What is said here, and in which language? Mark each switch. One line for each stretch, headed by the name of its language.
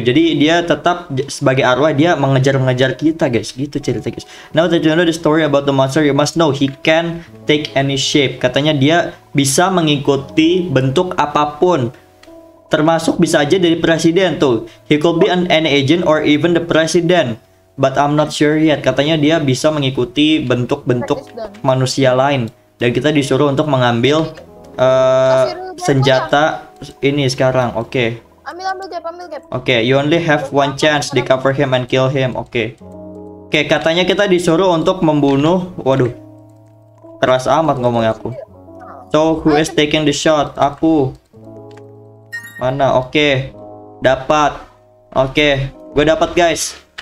Indonesian: Jadi dia tetap sebagai arwah, dia mengejar kita guys. Gitu cerita guys.
English: Now that you know the story about the monster, you must know he can take any shape.
Indonesian: Katanya dia bisa mengikuti bentuk apapun, termasuk bisa aja dari presiden tuh.
English: He could be an agent or even the president, but I'm not sure yet.
Indonesian: Katanya dia bisa mengikuti bentuk-bentuk manusia lain. Dan kita disuruh untuk mengambil senjata ini sekarang. Oke. Okay. Ambil gap.
English: Oke, okay, you only have one chance, discover him and kill him. Oke. Okay.
Indonesian: Oke, okay, katanya kita disuruh untuk membunuh. Waduh. Keras amat ngomong aku.
English: So, who is taking the shot?
Indonesian: Aku. Mana? Oke. Okay. Dapat. Oke, okay. Gue dapat, guys.